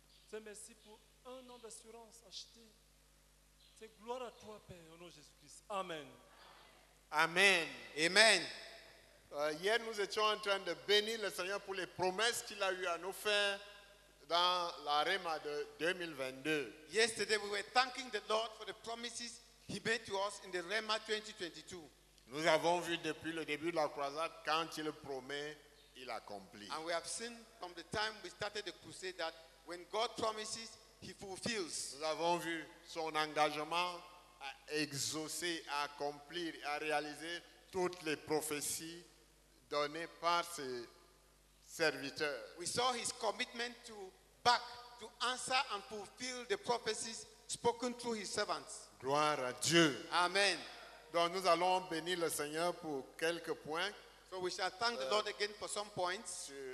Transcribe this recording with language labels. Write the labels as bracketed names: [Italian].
[French] Seigneur, merci pour un an d'assurance acheté. C'est gloire à toi, Père, au nom de Jésus-Christ. Amen. Amen. Amen. Hier, nous étions en train de bénir le Seigneur pour les promesses qu'il a eues à nous faire dans la Réma de 2022. [English] Yesterday, we were thanking the Lord for the promises he made to us in the Réma 2022. [French] Nous avons vu depuis le début de la croisade quand il promet, il accomplit. [English] And we have seen from the time we started the crusade that when God promises, he fulfills. [French] Nous avons vu son engagement à exaucer, à accomplir, à réaliser toutes les prophéties données par ses serviteurs. [English] We saw his commitment to back, to answer and fulfill the prophecies spoken through his servants. [French] Gloire à Dieu. Amen. Donc nous allons bénir le Seigneur pour quelques points. [English] So we shall thank the Lord again for some points.